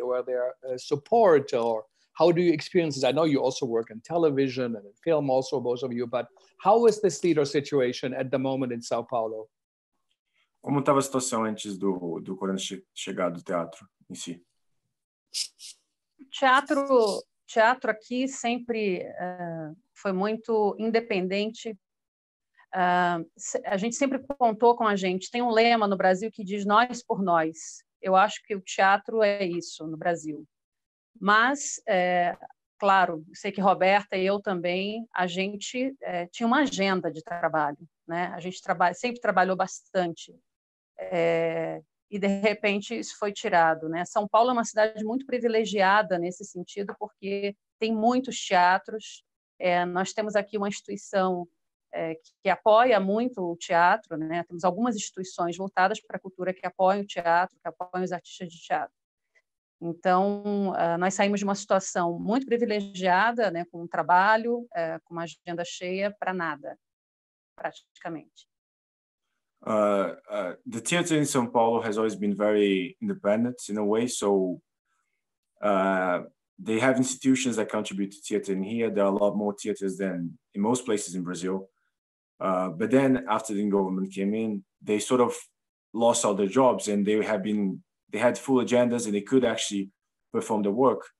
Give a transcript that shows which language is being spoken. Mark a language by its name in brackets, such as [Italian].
[English] Were there support, or how do you experience this? I know you also work in television and in film also, both of you, but how is this theater situation at the moment in Sao Paulo? [Portuguese] Como estava a situação antes do coronavírus chegar do teatro em si? Teatro aqui sempre foi muito independente. A gente sempre contou com a gente. Tem um lema no Brasil que diz nós por nós. Eu acho que o teatro é isso no Brasil. Mas, claro, sei que Roberta e eu também, a gente tinha uma agenda de trabalho, né? A gente sempre trabalhou bastante. E, de repente, isso foi tirado, né? São Paulo é uma cidade muito privilegiada nesse sentido, porque tem muitos teatros. Nós temos aqui uma instituição que apoia muito o teatro, né? Temos algumas instituições voltadas para a cultura que apoiam o teatro, que apoiam os artistas de teatro. Então, nós saímos de uma situação muito privilegiada, né? Com um trabalho, com uma agenda cheia, para nada, praticamente. [English] The theater in São Paulo has always been very independent in a way, so they have institutions that contribute to theater in here. There are a lot more theaters than in most places in Brazil, but then after the government came in, they sort of lost all their jobs, and they had full agendas and they could actually perform the work.